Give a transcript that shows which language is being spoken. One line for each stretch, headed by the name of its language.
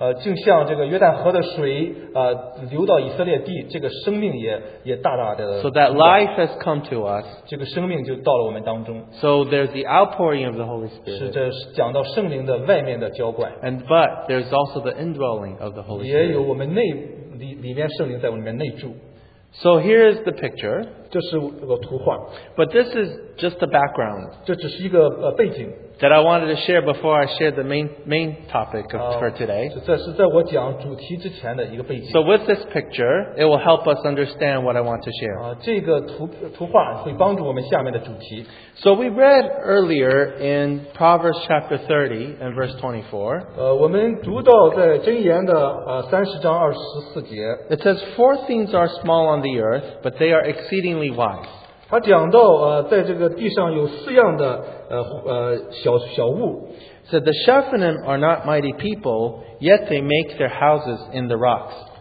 Chinese: 就像这个约旦河的水流到以色列地,这个生命也大大的,
English: so that life has come to us.
Chinese: 这个生命就到了我们当中.
English: So there's the outpouring of the Holy Spirit.
Chinese: 是这讲到圣灵的外面的浇灌.
English: But there's also the indwelling of the Holy Spirit.
Chinese: 也有我们内里面圣灵在我们里面内住.
English: So here is the picture.
Chinese: 这是个图画。
English: But this is just the background.
Chinese: 这只是一个背景。
English: that I wanted to share before I share the main topic for today. So with this picture, it will help us understand what I want to share.
Chinese: 这个图画会帮助我们下面的主题。
English: So we read earlier in Proverbs chapter 30 and verse 24.
Chinese: 我们读到在箴言的30章24节。
English: It says, four things are small on the earth, but they are exceedingly wise.
Chinese: 他讲到在这个地上有四样的小物。
English: So the Shephanim are not mighty people, yet they make their houses in the rocks.